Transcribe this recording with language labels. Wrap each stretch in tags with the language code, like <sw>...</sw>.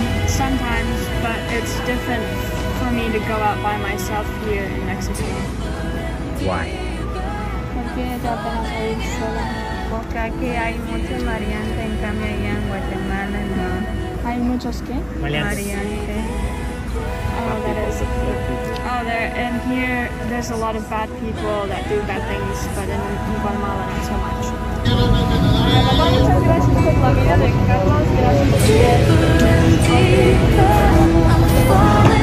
<en>Sometimes, but it's different for me to go out by myself here in Mexico. Why?</en> <es>Porque aquí hay muchos variantes, en cambio allá en Guatemala no. ¿Hay muchos qué? Variantes.</es> <en>Oh, there, and here there's a lot of bad people that do bad things, but in Guatemala not so much.</en> <es>Gracias por la vida de Carlos, gracias por</es>